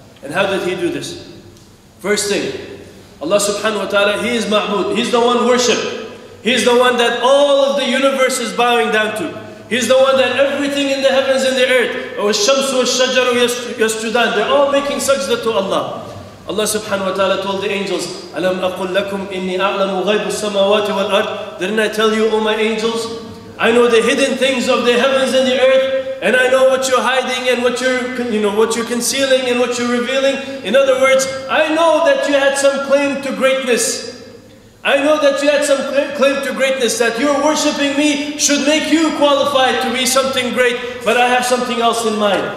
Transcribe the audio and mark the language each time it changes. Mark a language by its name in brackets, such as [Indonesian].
[English] And how did he do this? First thing, Allah subhanahu wa ta'ala, he is Ma'bud. He's the one worshipped. He's the one that all of the universe is bowing down to. He's the one that everything in the heavens and the earth, [Arabic] وَالشَّمْسُ وَالشَّجَرُ يَسْجُدَانِ, [English] they're all making sajda to Allah. [Arabic] Allah subhanahu wa ta'ala [English] told the angels, [Arabic] أَلَمْ أَقُلْ لَكُمْ إِنِّي أَعْلَمُ غَيْبُ السَّمَوَاتِ وَالْأَرْضِ. [English] Didn't I tell you, O my angels, I know the hidden things of the heavens and the earth, and I know what you're hiding and what you're, you know, what you're concealing and what you're revealing. In other words, I know that you had some claim to greatness. I know that you had some claim to greatness, that you're worshipping me should make you qualified to be something great, but I have something else in mind.